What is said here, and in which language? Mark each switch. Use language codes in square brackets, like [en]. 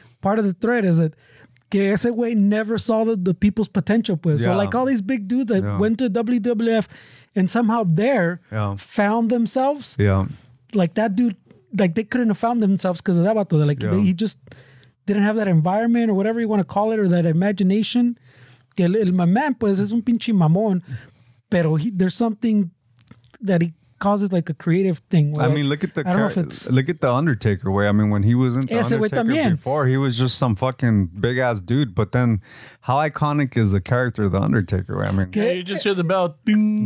[en] Part of the thread is that [es] que ese güey [en] never saw the people's potential. [es] Pues. [en] Yeah. So like all these big dudes that went to WWF, and somehow there found themselves. Yeah. Like that dude, like they couldn't have found themselves because of that vato. Like he just didn't have that environment or whatever you want to call it, or that imagination. [es] Que el mamán, pues, es un pinche mamón. Pero [en] there's something that he causes, like a creative thing. Where, I mean, look at the Undertaker way. I mean, when he was in the Undertaker before, he was just some fucking big ass dude. But then, how iconic is the character of the Undertaker? I mean, yeah, you just hear the bell, ding.